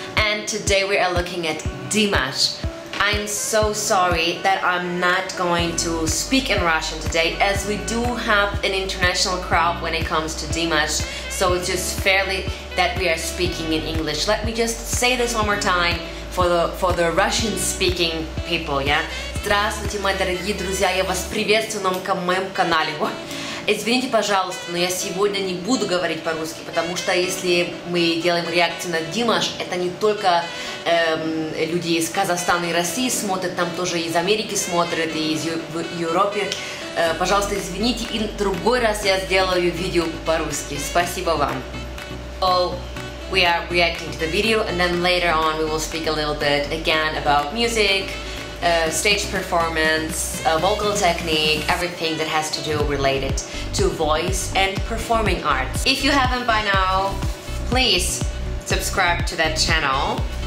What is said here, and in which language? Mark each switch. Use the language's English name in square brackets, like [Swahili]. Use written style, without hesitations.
[English] And today we are looking at DIMASH. I'm so sorry that I'm not going to speak in Russian today, as we do have an international crowd when it comes to DIMASH, so it's just fairly that we are speaking in English. Let me just say this one more time for the Russian speaking people, yeah? [Russian] Здравствуйте, мои дорогие друзья, я вас приветствую на моем канале. Извините, пожалуйста, но я сегодня не буду говорить по-русски, потому что если мы делаем реакцию на Димаш, это не только люди из Казахстана и России смотрят, там тоже из Америки смотрят, и из Европы. Пожалуйста, извините, и в другой раз я сделаю видео по-русски. Спасибо вам. [English] Oh, we are reacting to the video, and then later on we will speak a little bit again about music. Stage performance, vocal technique, everything that has to do related to voice and performing arts. If you haven't by now, please subscribe to that channel.